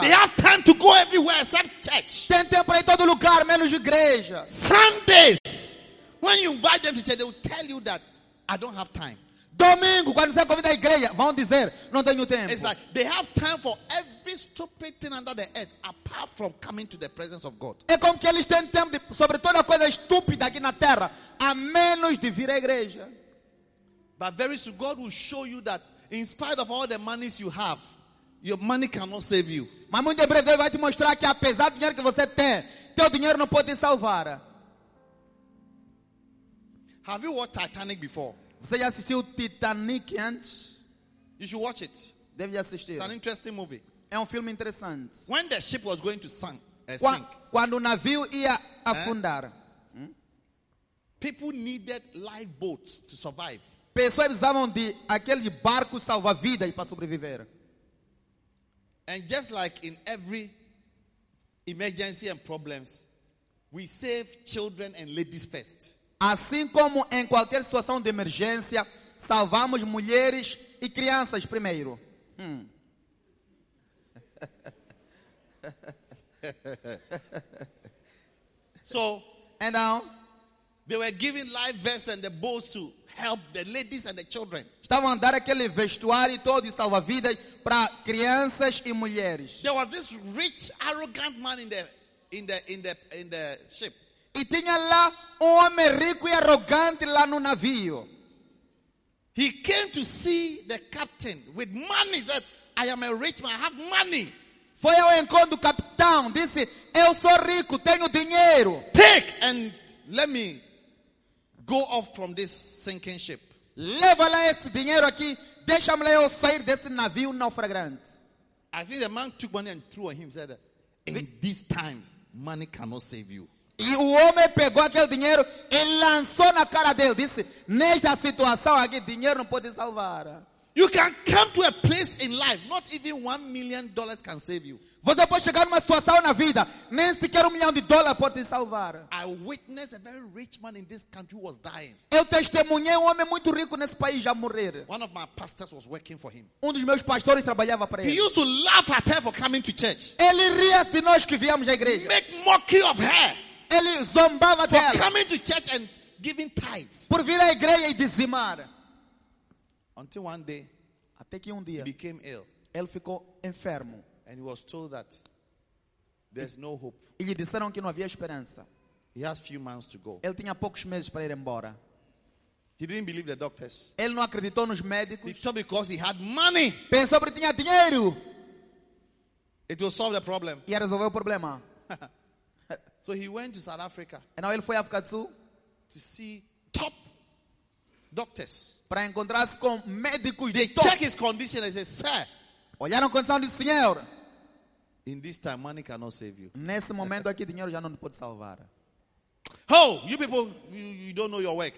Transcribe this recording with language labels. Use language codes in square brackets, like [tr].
[en] They have time to go everywhere except church. [pt] Tem tempo para ir todo lugar menos igreja. [en] Sundays, when you invite them to church, they will tell you that I don't have time. [pt] Domingo, quando você convida a igreja, vão dizer, não tenho tempo. [en] It's like they have time for every stupid thing under the earth, apart from coming to the presence of God. [pt] É como que eles têm tempo de, sobre toda coisa estúpida aqui na terra, a menos de vir à igreja. [en] But very soon, God will show you that, in spite of all the monies you have, your money cannot save you. [pt] Mas muito em breve, Deus vai te mostrar que apesar do dinheiro que você tem, teu dinheiro não pode te salvar. [en] Have you watched Titanic before? [pt] Você já assistiu Titanic antes? [en] You should watch it. [pt] Deve assistir. [en] It's an interesting movie. [pt] É filme interessante. [en] When the ship was going to sink. [pt] Quando o navio ia afundar. [en] People needed lifeboats to survive. [pt] Pessoas precisavam de aquele barco salva-vidas para sobreviver. [en] And just like in every emergency and problems, we save children and ladies first. [pt] Assim como em qualquer situação de emergência, salvamos mulheres e crianças primeiro. [en] So, and now, they were giving life vests and the boats to help the ladies and the children. [pt] Estavam a dar aquele vestuário todo e salva-vidas para crianças e mulheres. [en] There was this rich, arrogant man in the ship. [pt] E tinha lá homem rico e arrogante lá no navio. [en] He came to see the captain with money. He said, "I am a rich man. I have money." [pt] Foi ao encontro do capitão. Disse, "Eu sou rico, tenho dinheiro." [en] Take and let me go off from this sinking ship. [pt] Leva lá esse dinheiro aqui. Deixa-me lá eu sair desse navio naufragante. [en] I think the man took money and threw on him. Said, "In these times, money cannot save you." [pt] E o homem pegou aquele dinheiro e lançou na cara dele. Disse, nesta situação aqui, dinheiro não pode salvar. [en] You can come to a place in life, not even $1 million can save you. [pt] Você pode chegar numa situação na vida, nem sequer $1 million pode te salvar. [en] I witnessed a very rich man in this country who was dying. [pt] Eu testemunhei homem muito rico nesse país já morrer. [en] One of my pastors was working for him. [pt] Dos meus pastores trabalhava para ele. [en] He used to laugh at her for coming to church. [pt] Ele ria de nós que viemos à igreja. [en] Make mockery of her. [pt] Ele zombava dela. [en] For coming to church and giving tithes. [pt] Por vir à igreja e dizimar. [en] Until one day, [pt] até que dia, [en] he became ill. [pt] Ele ficou enfermo. [en] And he was told that there's no hope. [pt] E lhe disseram que não havia esperança. [en] He has few months to go. [pt] Ele tinha poucos meses para ir embora. [en] He didn't believe the doctors. [pt] Ele não acreditou nos médicos. [en] He thought because he had money. [pt] Pensou porque tinha dinheiro. [en] It will solve the problem. [pt] Ia resolver o problema. [en] So he went to South Africa. [pt] Então ele foi à África do Sul. [en] To see top doctors. [pt] Para encontrar-se com médicos de top. [en] Check his condition and say, sir. [pt] Olharam a condição do Senhor. [en] In this time, money cannot save you. [pt] Nesse momento aqui, dinheiro já não pode salvar. [en] Oh, you people, you don't know your work.